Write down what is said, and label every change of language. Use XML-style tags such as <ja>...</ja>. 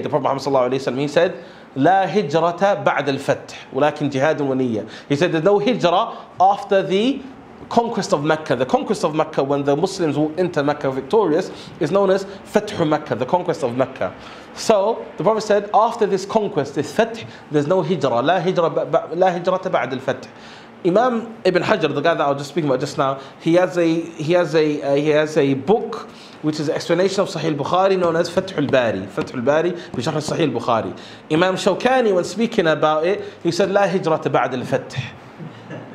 <en>The Prophet Sallallahu Alaihi Wasallam, he said,</en> <ar>لا هجرة بعد الفتح ولكن جهاد ونية.</ar> <en>He said, there's no hijrah after the conquest of Mecca. The conquest of Mecca, when the Muslims will enter Mecca victorious, is known as Fathu Mecca, the conquest of Mecca. So the Prophet said, after this conquest, this Fath, there's no hijrah.</en> <ar>لا هجرة لا هجرة بعد الفتح.</ar> <en>Imam Ibn Hajar, the guy that I was just speaking about just now, he has a book which is an explanation of Sahih al-Bukhari known as Fathul Bari, بشرح Sahih al-Bukhari. Imam Shawkani, when speaking about it, he said,</en> <ar>لا هجرة بعد الفتح.</ar>